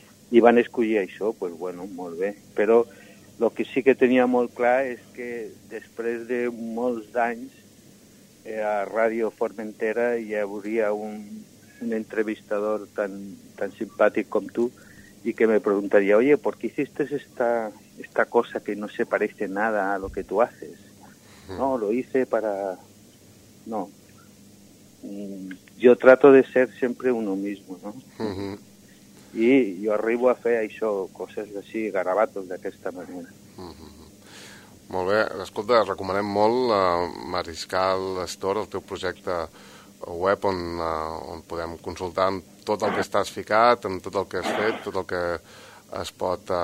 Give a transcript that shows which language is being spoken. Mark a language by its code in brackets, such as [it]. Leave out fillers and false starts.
[ca] I van escollir això, doncs, pues bueno, molt bé. Però el que sí que tenia molt clar és que després de molts anys a Ràdio Formentera hi hauria un entrevistador tan simpàtic com tu i que me preguntaria, [es] oye, ¿por qué hiciste esta cosa que no se parece nada a lo que tú haces? No, lo hice para... No. Yo trato de ser siempre uno mismo, ¿no? [ca] Uh-huh. [es] Y yo [ca] arribo a fer això, coses així, garabatos d'aquesta manera. Molt bé, escolta, recomanem molt Mariscal Store, el teu projecte web on podem consultar amb tot el que estàs ficat, amb tot el que has fet, tot el que es pot...